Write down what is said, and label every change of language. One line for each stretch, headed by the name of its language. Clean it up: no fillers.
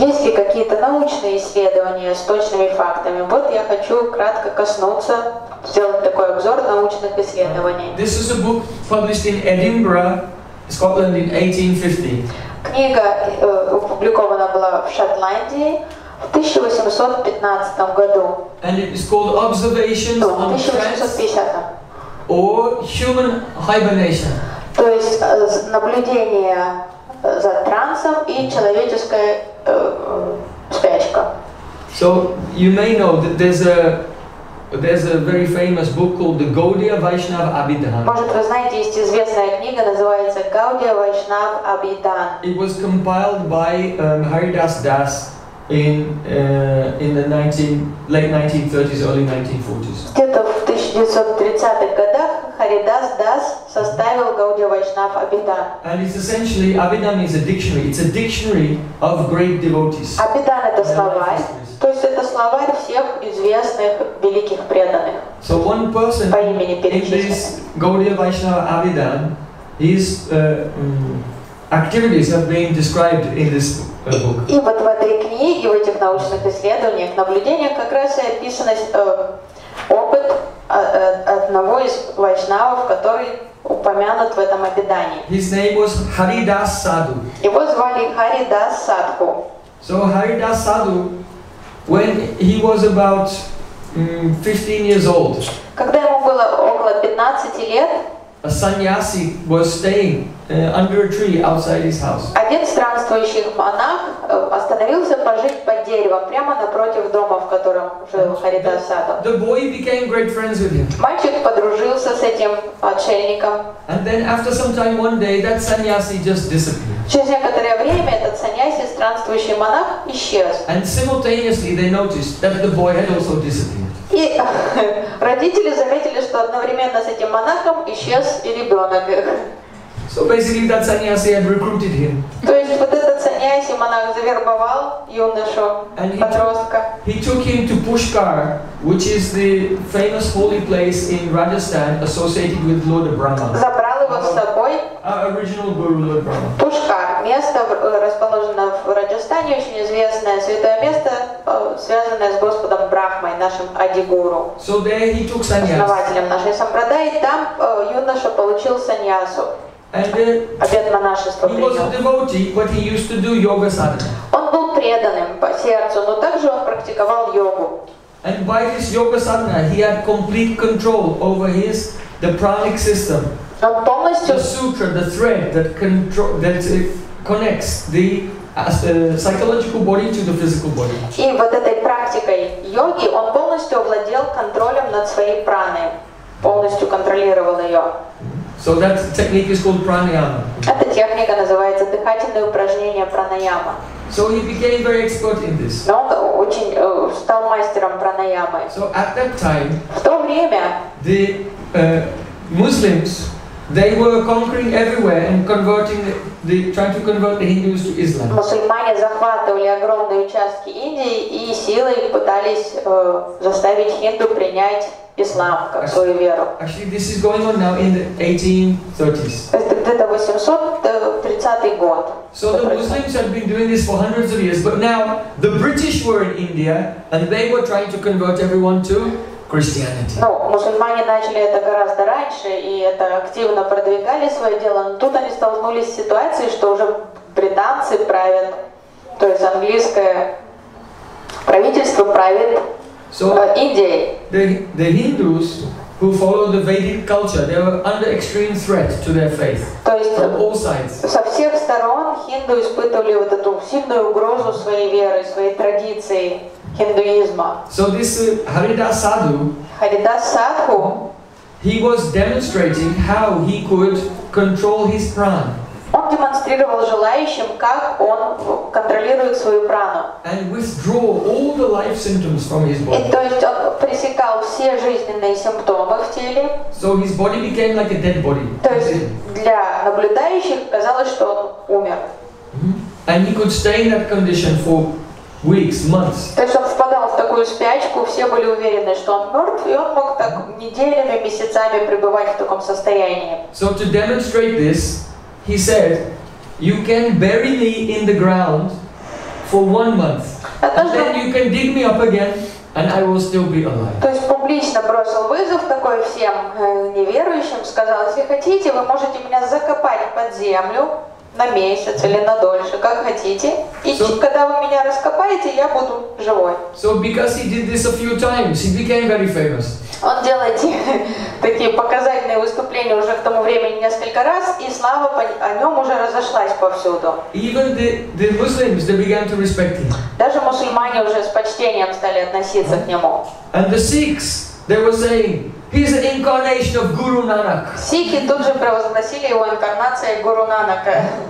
Russian: Есть ли какие-то научные исследования с точными фактами? Вот я хочу кратко коснуться, сделать такой обзор научных исследований.
English: This is a book published in Edinburgh, Scotland in 1850.
Russian: Книга опубликована была в Шотландии в 1815 году.
English: And it is called Observations on Trends or Human Hibernation.
Russian: То есть наблюдение за трансом и человеческая спячка.
English: So you may know that there's a very famous book called the Gaudiya Vaishnava Abhidhan.
Russian: Может, вы знаете, есть известная книга, называется Gaudiya Vaishnava Abhidhan.
English: It was compiled by Haridas Das in the late 1930s, early 1940s.
Russian: Где-то в 1930-х годах Haridas Das составил Gaudiya Vaishnava Abhidhan.
English: And it's essentially, Abhidhan is a dictionary. It's a dictionary of great devotees.
Russian: Abhidhan — это словарь. То есть это словарь всех известных великих преданных.
English: So one person
Russian: по имени перечислен.
English: In this Gaudiya Vaishnava Abhidhan, his activities have been described in this book.
Russian: И вот в этой книге, в этих научных исследованиях, наблюдениях как раз и описан опыт одного из вайшнавов, который упомянут в этом Абидане.
English: His name was Haridas Sadhu.
Russian: Его звали Haridas Sadhu.
English: So Haridas Sadhu, when he was about 15 years old,
Russian: когда ему было около 15 лет,
English: a sannyasi was staying under a tree outside his house.
Russian: Один странствующий монах остановился пожить под деревом прямо напротив дома, в котором жил Haridas Sadhu.
English: The boy became great friends with him.
Russian: Мальчик подружился с этим отшельником.
English: And then after some time, one day, that sannyasi just disappeared.
Russian: Через некоторое время этот саньяси, странствующий монах, исчез.
English: And simultaneously they noticed that the boy had also disappeared.
Russian: И родители заметили, что одновременно с этим монахом исчез и ребенок.
English: So basically that sannyasi had recruited him.
Russian: То есть вот этот саньяси, монах, завербовал юношу, подростка.
English: He took him to Pushkar, which is the famous holy place in Rajasthan associated with Lord Brahma.
Russian: Забрал его с собой.
English: Our original guru, Lord Brahma.
Russian: Пушкар, место, расположенное в Раджастане, очень известное святое место, связанное с Господом Брахмой, нашим Адигуру.
English: So there he took sannyas.
Russian: Основателем нашей сампрадаи, там юноша получил саньясу.
English: And he was a devotee, but he used to do yoga sadhana.
Russian: Он был преданным по сердцу, но также он практиковал йогу.
English: And by his yoga sadhana, he had complete control over his pranic system.
Russian: Он полностью.
English: The sutra, the thread that connects the psychological body to the physical body.
Russian: И вот этой практикой йоги он полностью овладел контролем над своей праной, полностью контролировал ее.
English: So that technique is called pranayama.
Russian: Эта техника называется дыхательное упражнение пранаяма.
English: So he became very expert in this.
Russian: Но он очень стал мастером пранаямы.
English: So at that time,
Russian: в то время,
English: the Muslims, they were conquering everywhere and converting trying to convert the Hindus to Islam.
Russian: Мусульмане захватывали огромные участки Индии и силой пытались заставить хинду принять ислам как свою веру.
English: Actually, this is going on now in the 1830s.
Russian: Это 1830 год.
English: So the Muslims have been doing this for hundreds of years, but now the British were in India and they were trying to convert everyone to Christianity.
Russian: Ну, мусульмане начали это гораздо раньше, и это активно продвигали свое дело, но тут они столкнулись с ситуацией, что уже британцы правят, то есть английское правительство правит
English: So the Hindus who follow the Vedic culture, they were under extreme threat to their faith from all sides.
Russian: Со всех сторон хинду испытывали вот эту сильную угрозу своей веры, своей традиции хиндуизма.
English: So this Haridas Sadhu,
Russian: Haridas Sadhu,
English: he was demonstrating how he could control his prana.
Russian: Он демонстрировал желающим, как он контролирует свою прану.
English: And withdraw all the life symptoms from his body.
Russian: И то есть он пресекал все жизненные симптомы в теле.
English: So his body became like a dead body.
Russian: То есть для наблюдающих казалось, что он умер.
English: And he could stay in that condition for weeks, months.
Russian: То есть он впадал в такую спячку, все были уверены, что он мертв, и он мог так неделями, месяцами пребывать в таком состоянии.
English: So to demonstrate this, he said, "You can bury me in the ground for 1 month, and then you can dig me up again, and I will still be alive."
Russian: То есть публично бросил вызов такой всем неверующим, сказал: "Если хотите, вы можете меня закопать под землю на месяц или на дольше, как хотите. И когда вы меня раскопаете, я буду живой."
English: So because he did this a few times, he became very famous.
Russian: Он делает такие показательные выступления уже к тому времени несколько раз, и слава о нем уже разошлась повсюду.
English: Even the Muslims, they began to respect him.
Russian: Даже мусульмане уже с почтением стали относиться к нему.
English: And the Sikhs, they were saying, he's an incarnation of Guru Nanak.
Russian: Сикхи тут же провозгласили его инкарнацией Гуру Нанака.